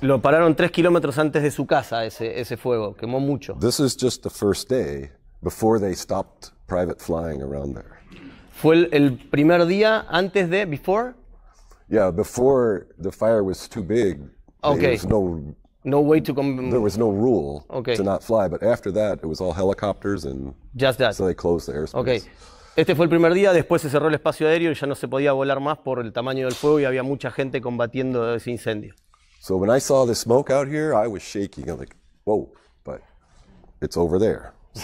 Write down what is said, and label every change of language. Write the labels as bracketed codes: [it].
[es] Lo pararon 3 kilómetros antes de su casa ese fuego. Quemó mucho. [en] This is just the first day before they stopped private flying around there. [es] Fue el primer día antes de, before? [en] Yeah, before the fire was too big. Okay. There was no way to come. There was no rule okay. to not fly. But after that, it was all helicopters and just that. So they closed the airspace. [es] Okay. Este fue el primer día. Después se cerró el espacio aéreo y ya no se podía volar más por el tamaño del fuego y había mucha gente combatiendo ese incendio. [en] So when I saw the smoke out here, I was shaking. I'm like, whoa, but it's over there.